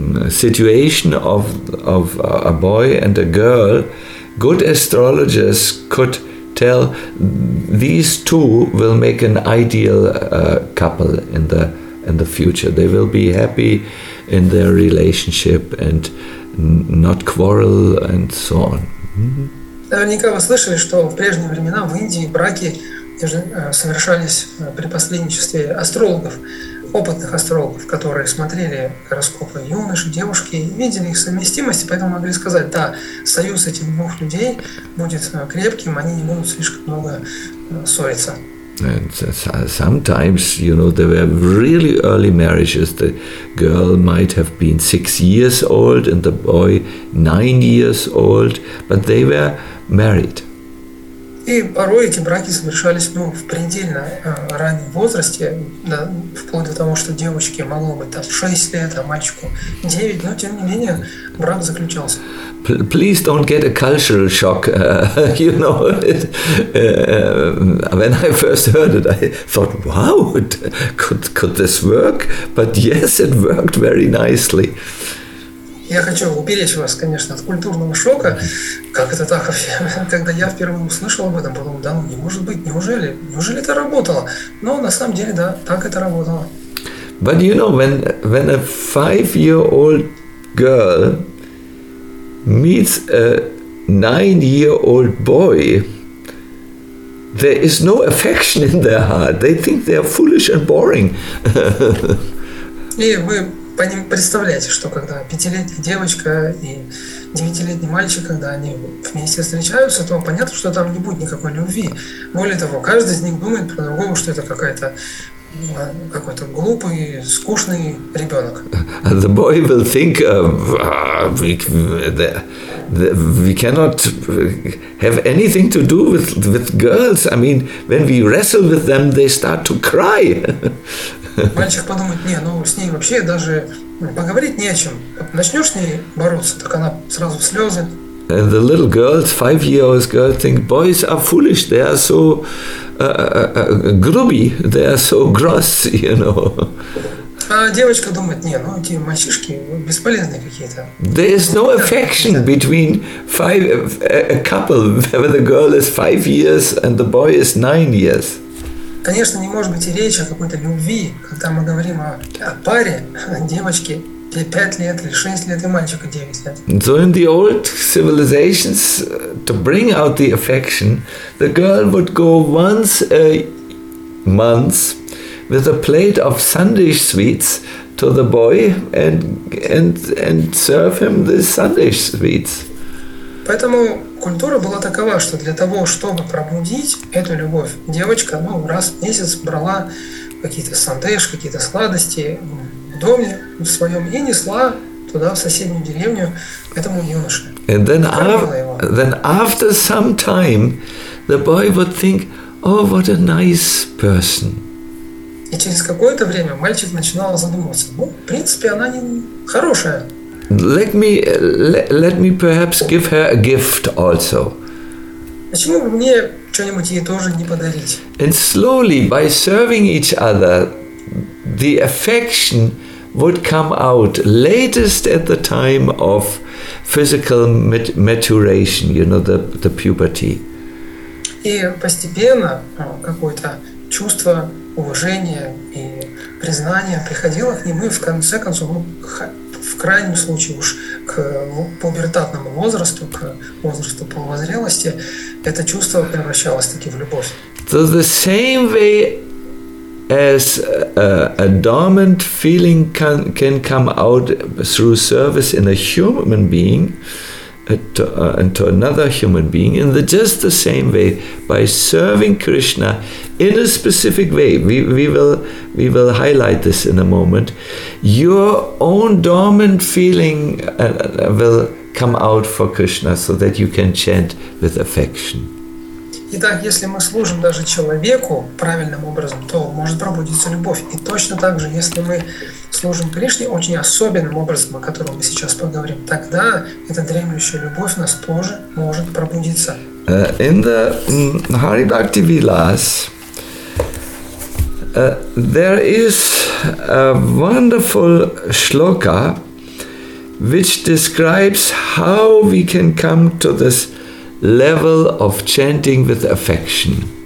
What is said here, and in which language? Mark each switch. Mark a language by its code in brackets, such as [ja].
[en] situation of a boy and a girl, good astrologers could tell these two will make an ideal couple in the future. They will be happy in their relationship and not quarrel and so on. [ru] Наверняка вы слышали, что в прежние времена в Индии браки совершались при посредничестве астрологов, опытных астрологов, которые смотрели гороскопы юноши, девушки, видели их совместимость, поэтому могли сказать, да, союз этих двух людей будет крепким, они не будут слишком много ссориться. [en] And sometimes, you know, there were really early marriages. The girl might have been 6 years old and the boy 9 years old, but they were married. [ru] И порой эти браки совершались, ну, в предельно раннем возрасте, да, вплоть до того, что девочке могло быть там 6 лет, а мальчику 9, но тем не менее брак заключался. [en] Please don't get a cultural shock, you know. When I first heard it, I thought, wow, could this work? But yes, it worked very nicely. [ru] Я хочу уберечь вас, конечно, от культурного шока. Как это так? Когда я впервые услышал об этом, подумал, да, ну не может быть, неужели? Неужели это работало? Но на самом деле, да, так это работало. [en] But you know, when a five-year-old girl meets a nine-year-old boy, there is no affection in their heart. They think they are foolish and boring. [ru] И вы представляете, что когда пятилетняя девочка и девятилетний мальчик, когда они вместе встречаются, то понятно, что там не будет никакой любви. Более того, каждый из них думает про другого, что это какой-то глупый, скучный ребенок. [en] The boy will think we cannot have anything to do with girls. I mean, when we wrestle with them, they start to cry. [ru] Мальчик подумает, не, ну с ней вообще даже поговорить не о чем. Начнешь с ней бороться, так она сразу в слезы. [en] And the little girls, 5-year-old girls, think boys are foolish, they are so grubby, they are so gross, you know. [ru] А девочка думает, не, ну эти мальчишки бесполезные какие-то. [en] There is no affection between a couple where the girl is 5 years and the boy is 9 years. [ru] Конечно, не может быть и речи о какой-то любви, когда мы говорим о паре, девочке 5 лет или 6 лет и мальчику 9 лет. [en] So in the old civilizations, to bring out the affection, the girl would go once a month with a plate of Sunday sweets to the boy and serve him the Sunday sweets. [ru] Поэтому культура была такова, что для того, чтобы пробудить эту любовь, девочка, ну, раз в месяц брала какие-то сандеш, какие-то сладости в доме в своем и несла туда, в соседнюю деревню, этому юноше. [en] And then after some time, the boy would think, oh, what a nice person. [ru] И через какое-то время мальчик начинал задумываться, ну, в принципе, она не хорошая. [en] Let me perhaps give her a gift also. [ru] Почему бы мне что-нибудь ей тоже не подарить? [en] And slowly, by serving each other, the affection would come out latest at the time of physical maturation, you know, the puberty. [ru] И постепенно какое-то чувство уважения и признания приходило к ним, и в конце концов, в крайнем случае уж к пубертатному возрасту, к возрасту полувозрелости, это чувство превращалось таки в любовь. [en] So the same way as a dormant feeling can come out through service in a human being to another human being, in the just the same way, by serving Krishna in a specific way, we will highlight this in a moment, your own dormant feeling will come out for Krishna so that you can chant with affection. [ru] Итак, если мы служим даже человеку правильным образом, то может пробудиться любовь. И точно так же, если мы служим Кришне очень особенным образом, о котором мы сейчас поговорим, тогда эта дремлющая любовь у нас тоже может пробудиться. [en] In the Hari Bhakti Vilas, there is a wonderful shloka, which describes how we can come to this level of chanting with affection.